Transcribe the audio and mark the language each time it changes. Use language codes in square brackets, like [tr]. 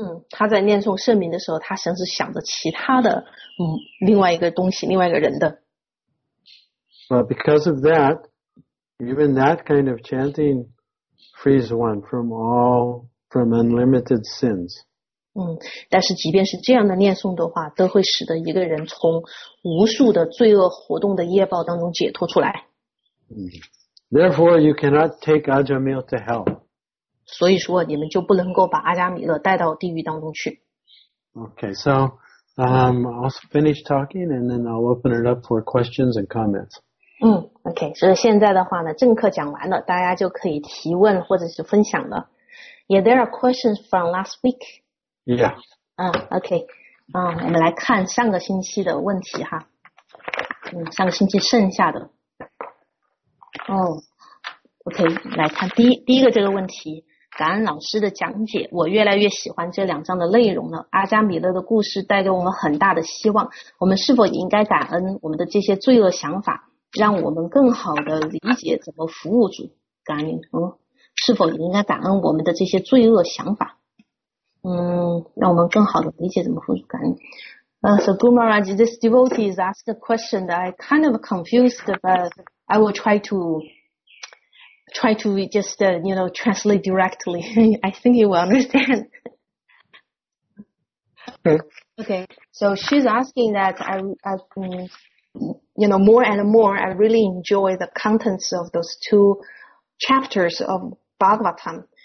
[zh] 他在念诵圣名的时候，他甚至想着其他的，另外一个东西，另外一个人的。 [en] But because of that, even that kind of chanting frees one from unlimited sins. [zh] 但是即便是这样的念诵的话，都会使得一个人从无数的罪恶活动的业报当中解脱出来。 [en] Therefore, you cannot take Ajamil to hell. [zh] 所以说，你们就不能够把阿迦弥勒带到地狱当中去。 [en] Okay, so, I'll finish talking and then I'll open it up for questions and comments. [zh] Okay, 所以现在的话呢，正课讲完了，大家就可以提问或者是分享了。 [en] Yeah, there are questions from last week. Yeah. [zh] Okay, 我们来看上个星期的问题哈。上个星期剩下的。 OK, 来看第一个这个问题。感恩老师的讲解，我越来越喜欢这两章的内容了。阿迦弥勒的故事带给我们很大的希望，我们是否应该感恩我们的这些罪恶想法，让我们更好的理解怎么服务主？感恩，是否应该感恩我们的这些罪恶想法？让我们更好的理解怎么服务主？感恩。 [en] So Gumaraj, this devotee is asked a question that I kind of confused, but I will try to just, translate directly. I think you will understand. Okay, so she's asking that I more and more I really enjoy the contents of those two chapters of Bhagavatam.